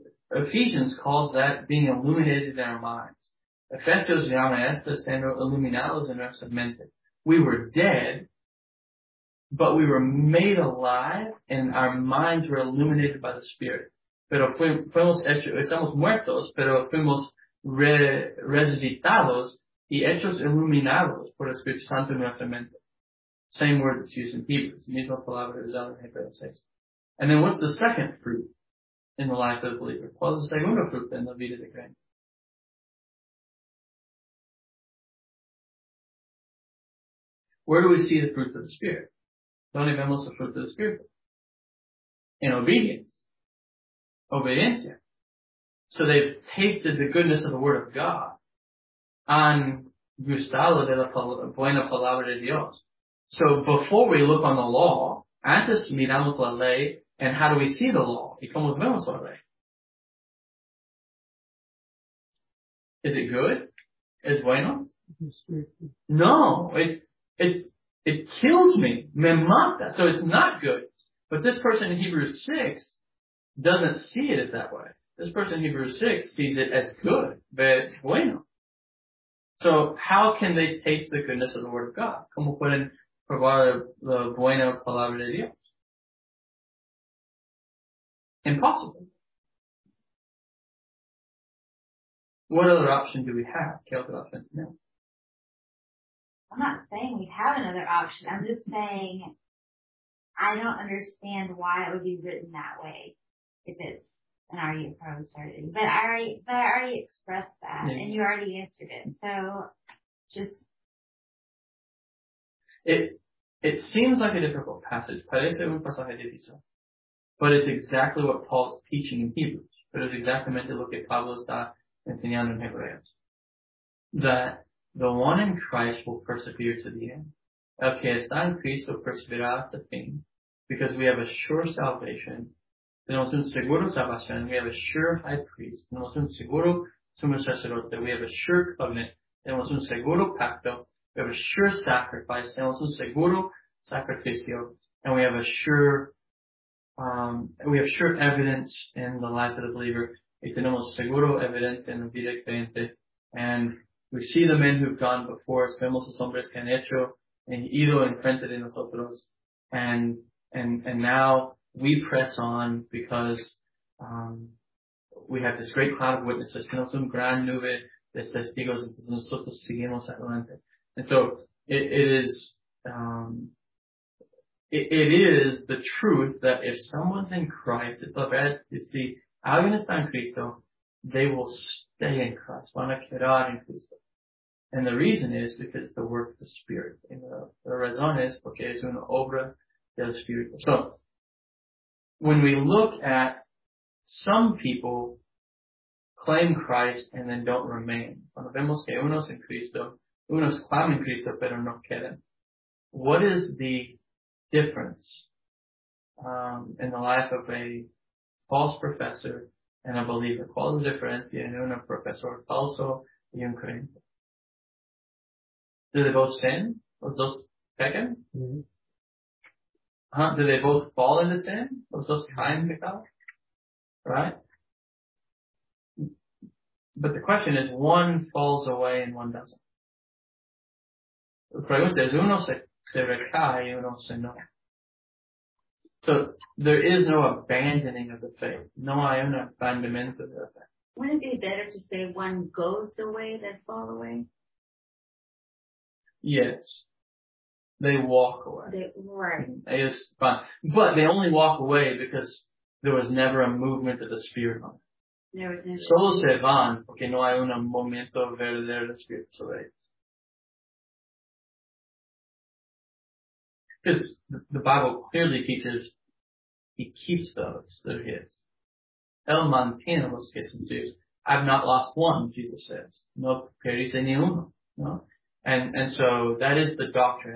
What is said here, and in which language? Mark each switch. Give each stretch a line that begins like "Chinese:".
English: Ephesians calls that being illuminated in our minds.
Spanish: Efesios llama esto siendo iluminados en nuestra mente.
English: We were dead, but we were made alive, and our minds were illuminated by the Spirit.
Spanish: Pero fuimos hechos, estamos muertos, pero fuimos resucitados y hechos iluminados por el Espíritu Santo en nuestra mente.
English: Same word that's used in Hebrews.
Spanish: Misma palabra usada en Hebreos 6.
English: And then what's the second fruit in the life of the believer?
Spanish: ¿Cuál es el segundo fruto en la vida de creyente?
English: Where do we see the fruits of the Spirit?
Spanish: ¿Dónde vemos los frutos del Espíritu?
English: In obedience. Obediencia. So they've tasted the goodness of the Word of God.
Spanish: Han gustado de la buena palabra de Dios.
English: So before we look on the law,
Spanish: antes miramos la ley,
English: and how do we see the law?
Spanish: ¿Y cómo vemos la ley?
English: Is it good?
Spanish: ¿Es bueno?
English: No. It kills me.
Spanish: Me mata.
English: So it's not good. But this person in Hebrews 6 doesn't see it as that way. This person in Hebrews 6 sees it as good. But bueno. So how can they taste the goodness of the Word of God?
Spanish: ¿Cómo pueden probar la buena palabra de Dios?
English: Impossible. What other option do we have?
Spanish: ¿Qué otra opción tenemos?
English: I'm not saying we have another option. I'm just saying I don't understand why it would be written that way if it's an RU probe starting. But I already expressed that, yeah. And you already answered it. So just it seems like a difficult passage.
Spanish: Parece un pasaje difícil.
English: But it's exactly what Paul's teaching in Hebrews. But it's exactly meant to look at
Spanish: Pablo está enseñando en Hebreos.
English: That the one in Christ will persevere to the end.
Spanish: El que está en Cristo perseverará hasta el fin.
English: Because we have a sure salvation.
Spanish: Tenemos un seguro salvación.
English: We have a sure high priest.
Spanish: Tenemos un seguro sumo sacerdote.
English: We have a sure covenant.
Spanish: Tenemos un seguro pacto.
English: We have a sure sacrifice.
Spanish: Tenemos un seguro sacrificio.
English: And we have sure evidence in the life of the believer.
Spanish: Y tenemos seguro evidence en la vida creyente.
English: And we see the men who've gone before us,
Spanish: vemos los hombres que han hecho y ido en frente de nosotros,
English: and now we press on because we have this great cloud of witnesses,
Spanish: tenemos un gran nube de testigos,
English: entonces nosotros seguimos adelante. And so it is the truth that if someone's in Christ, it's la verdad, you see,
Spanish: alguien está en Cristo,
English: they will stay in Christ,
Spanish: van a quedar en Cristo.
English: And the reason is because the work of the Spirit. And the reason is
Spanish: porque es una obra del Espíritu.
English: So, when we look at some people claim Christ and then don't remain.
Spanish: Cuando vemos que unos en Cristo, unos claman Cristo, pero no quedan.
English: What is the difference in the life of a false professor and a believer?
Spanish: ¿Cuál es la diferencia en un profesor falso y un creyente?
English: Do they both sin?
Spanish: Los dos pecan? Mm-hmm.
English: Do they both fall into sin?
Spanish: Los dos caen en pecado?
English: Right? But the question is, one falls away and one doesn't.
Spanish: La pregunta es, uno se recae y uno se no.
English: So, there is no abandoning of the faith.
Spanish: No hay un abandonamiento de la fe.
English: Wouldn't it be better to say one goes away than fall away? Yes. They walk away. They, right. They just, but they only walk away because there was never a movement of the Spirit on it.
Spanish: Solo se van porque no hay un momento verdadero del Espíritu sobre ellos.
English: Because the Bible clearly teaches he keeps those that are his.
Spanish: El mantiene los que son suyos.
English: I've not lost one, Jesus says.
Spanish: No perdiste ni uno. No?
English: And so that is the doctrine.